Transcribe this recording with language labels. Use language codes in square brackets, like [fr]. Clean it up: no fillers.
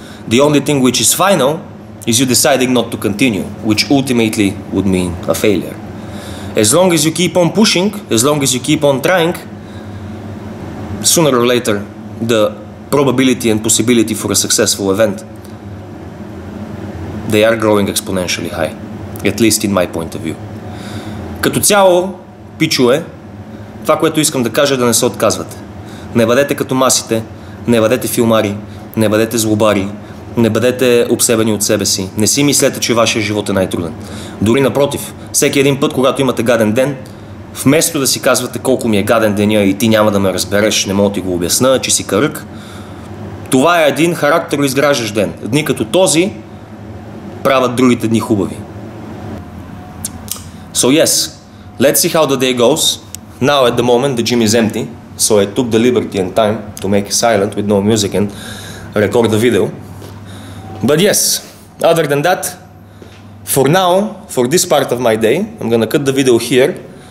[en] The only thing which is final is you deciding not to continue, which ultimately would mean a failure. As long as you keep on pushing, as long as you keep on trying, sooner or later, the probability and possibility for a successful event, they are growing exponentially high, at least in my point of view. [bg] Като цяло, пичуе, това, което искам да кажа, да не се отказвате. Не бъдете като масите, не бъдете филмари, не бъдете злобари, не бъдете обсебени от себе си, не си мислете, че вашия живот е най-труден. Дори напротив, всеки един път, когато имате гаден ден, вместо да си казвате колко ми е гаден деня и ти няма да ме разбереш, не мога ти го обясна, че си кърък, това е един характероизграждащ ден. Дни като този правят другите дни хубави. [en] So yes, let's see how the day goes. Now at the moment the gym is empty, so I took the liberty and time to make it silent with no music and record the video. But yes, other than that, for now, for this part of my day, I'm gonna cut the video here.